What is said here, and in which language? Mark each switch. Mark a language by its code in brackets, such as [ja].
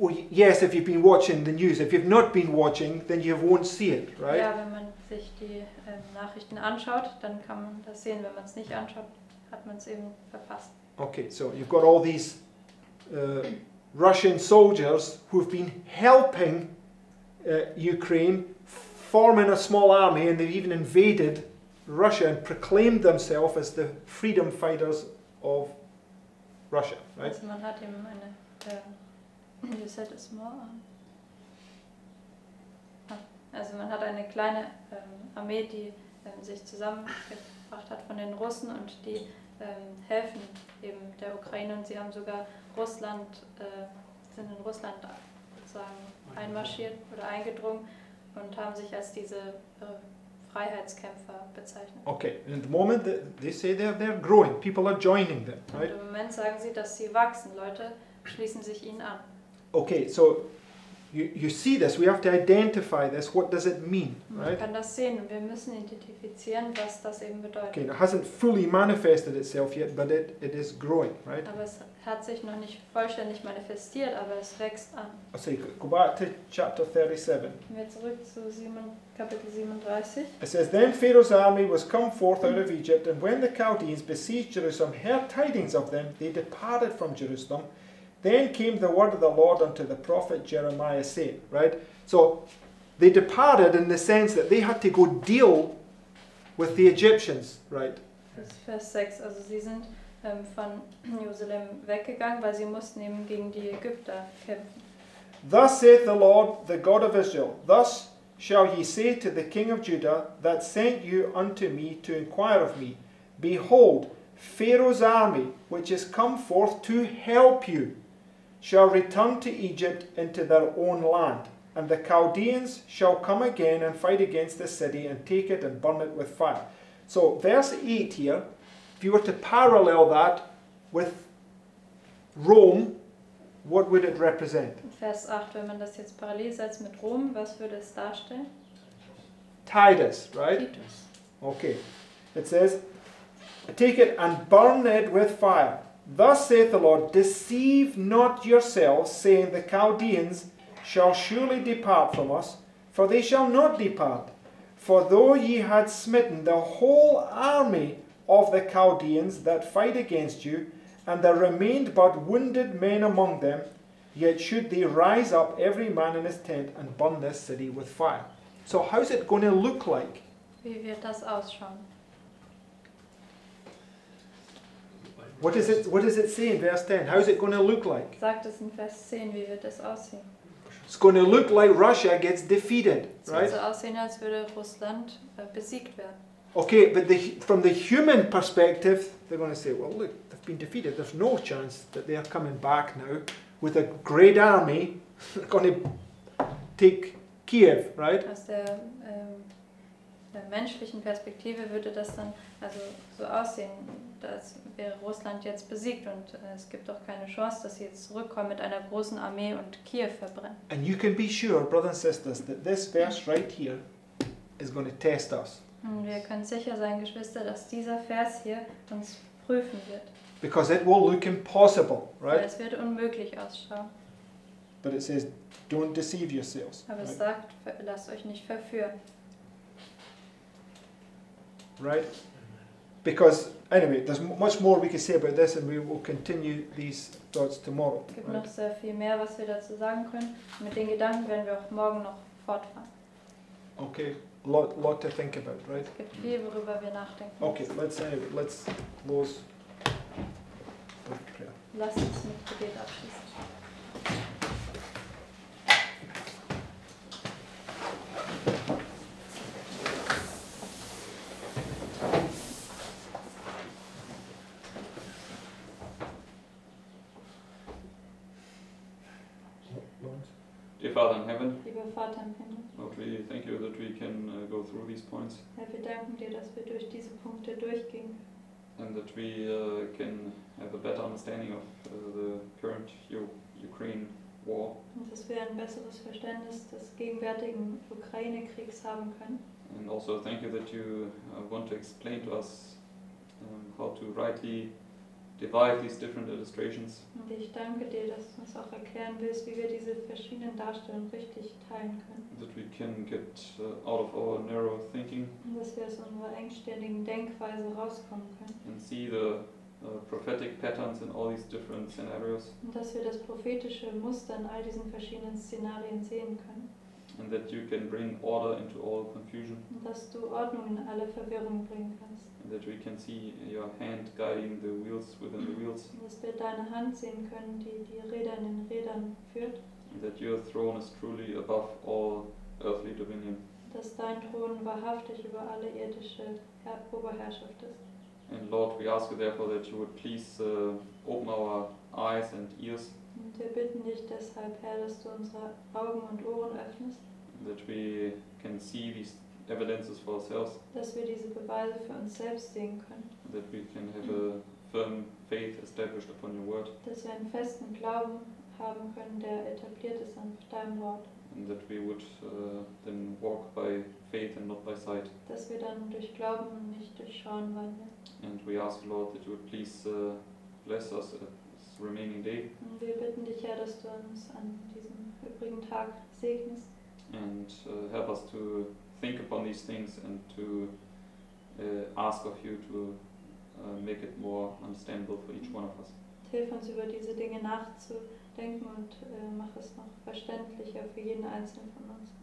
[en] Yes, if you've been watching the news. If you've not been watching, then you won't see it, right? [de] Ja, wenn man sich die Nachrichten anschaut, dann kann man das sehen. Wenn man es nicht anschaut, hat man es eben verpasst. [en] Okay, so you've got all these Russian soldiers who've been helping Ukraine, forming a small army, and they've even invaded Russia and proclaimed themselves as the freedom fighters of Russia, right? [de] Also man hat eben eine [en] you said a small army. [de] Also man hat eine kleine Armee, die sich zusammengebracht hat von den Russen und die helfen eben der Ukraine und sie haben sogar Russland, sind in Russland sozusagen einmarschiert oder eingedrungen und haben sich als diese Freiheitskämpfer bezeichnet. [en] Okay, in the moment they say they're growing, people are joining them, right? [de] Und im Moment sagen sie, dass sie wachsen, Leute schließen sich ihnen an. [en] Okay, so you see this. We have to identify this. What does it mean, right? [de] Man kann das sehen. Wir müssen identifizieren, was das eben bedeutet. [en] Okay, it hasn't fully manifested itself yet, but it is growing, right? [de] Aber es hat sich noch nicht vollständig manifestiert, aber es wächst an. [en] Also, go back to chapter 37. [de] Gehen wir zurück zu Kapitel 37. [en] It says, then Pharaoh's army was come forth out of Egypt, and when the Chaldeans besieged Jerusalem, heard tidings of them, they departed from Jerusalem. Then came the word of the Lord unto the prophet Jeremiah, saying, right? So they departed in the sense that they had to go deal with the Egyptians, right? [de] Vers 6, also sie sind von Jerusalem weggegangen, weil sie mussten eben gegen die Ägypter kämpfen. [en] Thus saith the Lord, the God of Israel, thus shall ye say to the king of Judah that sent you unto me to inquire of me, behold, Pharaoh's army, which is come forth to help you, shall return to Egypt into their own land, and the Chaldeans shall come again and fight against the city and take it and burn it with fire. So verse 8 here, if you were to parallel that with Rome, what would it represent? [de] Vers 8, wenn man das jetzt parallel setzt mit Rom, was würde es darstellen? [en] Titus, right? Titus. Okay. It says, take it and burn it with fire. Thus saith the Lord, deceive not yourselves, saying, the Chaldeans shall surely depart from us, for they shall not depart. For though ye had smitten the whole army of the Chaldeans that fight against you, and there remained but wounded men among them, yet should they rise up every man in his tent and burn this city with fire. So how's it going to look like? [de] Wie wird das ausschauen? [en] What does it say in verse 10? How's it going to look like? [de] Sagt es in Vers 10, wie wird das aussehen? [en] It's going to look like Russia gets defeated, right? [de] Es wird so aussehen, als würde Russland besiegt werden. [en] Okay, but from the human perspective, they're going to say, well, look, they've been defeated. There's no chance that they are coming back now with a great army. They're going to take Kiev, right? [de] Aus der, der menschlichen Perspektive würde das dann also so aussehen, dass wäre Russland jetzt besiegt und es gibt auch keine Chance, dass sie jetzt zurückkommen mit einer großen Armee und Kiew verbrennen. [en] And you can be sure, brothers and sisters, that this verse right here is going to test us. [de] Und wir können sicher sein, Geschwister, dass dieser Vers hier uns prüfen wird. [en] Because it will look impossible, right? [de] Weil es wird unmöglich ausschauen. [en] But it says, don't deceive yourselves. [de] Aber es sagt, lasst euch nicht verführen. [en] Right? Because, anyway, there's much more we can say about this and we will continue these thoughts tomorrow. [de] Es gibt noch sehr viel mehr, was wir dazu sagen können. Mit den Gedanken werden wir auch morgen noch fortfahren. [en] Okay, lot to think about, right? [de] Es gibt viel, worüber wir nachdenken. [en] Okay, let's close with prayer. [de] Lass uns mit Gebet abschließen. [en] Father in heaven, [de] lieber Vater im Himmel, [en] Lord, we thank you that we can go through these points. [de] Herr, wir danken dir, dass wir durch diese Punkte durchgingen. [en] And that we can have a better understanding of the current Ukraine war. [de] Und dass wir ein besseres Verständnis des gegenwärtigen Ukraine-Kriegs haben können. [en] And also thank you that you want to explain to us how to rightly divide these different illustrations. [de] Und ich danke dir, dass du uns auch erklären willst, wie wir diese verschiedenen Darstellungen richtig teilen können. [en] That we can get out of our narrow thinking. [de] Und dass wir aus unserer engständigen Denkweise rauskommen können. [en] And see the prophetic patterns in all these different scenarios. [de] Und dass wir das prophetische Muster in all diesen verschiedenen Szenarien sehen können. [en] And that you can bring order into all confusion. [de] Und dass du Ordnung in alle Verwirrung bringen kannst. [en] And that we can see your hand guiding the wheels within the wheels. [de] Und dass wir deine Hand sehen können, die die Räder in den Rädern führt. [en] And that your throne is truly above all earthly dominion. [de] Dass dein Thron wahrhaftig über alle irdische Oberherrschaft ist. [en] And Lord, we ask you therefore that you would please open our eyes and ears. [de] Und wir bitten dich deshalb, Herr, dass du unsere Augen und Ohren öffnest. [en] That we can see these evidences for ourselves. [de] Dass wir diese Beweise für uns selbst sehen können. [en] That we can have a firm faith established upon your word. [de] Dass wir einen festen Glauben haben können, der etabliert ist an deinem Wort. [en] And that we would then walk by faith and not by sight. [de] Dass wir dann durch Glauben und nicht durch Schauen wandeln. [en] And we ask, Lord, that you would please bless us remaining day. [de] Und wir bitten dich, Herr, dass du uns an diesem übrigen Tag segnest. [en] And help us to think upon these things and to ask of you to make it more understandable for each one of us. [de] Hilf uns, über diese Dinge nachzudenken und mach es noch verständlicher für jeden Einzelnen von uns.